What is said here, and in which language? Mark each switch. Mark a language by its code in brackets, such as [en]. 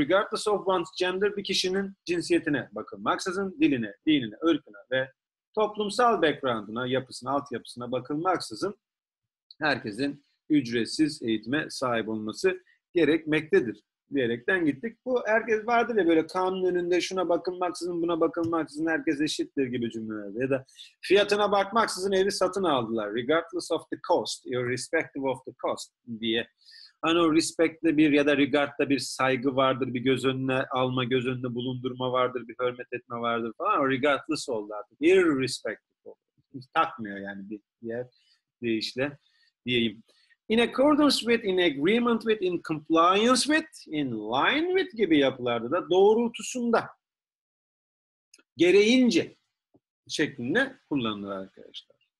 [en] Regardless of one's gender, [tr] bir kişinin cinsiyetine bakılmaksızın, diline, dinine, ırkına ve toplumsal background'ına, yapısına, altyapısına bakılmaksızın herkesin ücretsiz eğitime sahip olması gerekmektedir diyerekten gittik. Bu herkes vardır ya böyle kanun önünde şuna bakılmaksızın, buna bakılmaksızın herkes eşittir gibi cümlelerde. Ya da fiyatına bakmaksızın evi satın aldılar. [en] Regardless of the cost, irrespective of the cost diye. [tr] Hani o respect'le bir ya da regard'da bir saygı vardır, bir göz önüne alma, göz önünde bulundurma vardır, bir hürmet etme vardır falan. O regardless oldu artık. Irrespective oldu. Hiç takmıyor yani bir diğer deyişle diyeyim. [en] In accordance with, in agreement with, in compliance with, in line with [tr] gibi yapılarda da doğrultusunda, gereğince şeklinde kullanılır arkadaşlar.